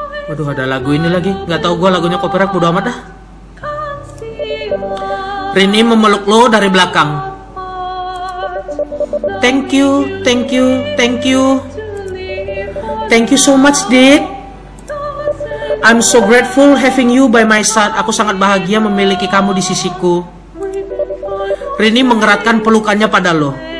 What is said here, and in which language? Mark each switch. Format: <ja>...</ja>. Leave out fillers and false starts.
<id>Aduh, ada lagu ini lagi. Gak tau gue lagunya copyright, bodo amat dah. Rini memeluk Lo dari belakang.</id> <en>Thank you, thank you, thank you. Thank you so much, Dick. I'm so grateful having you by my side.</en> <id>Aku sangat bahagia memiliki kamu di sisiku. Rini mengeratkan pelukannya pada Lo.</id>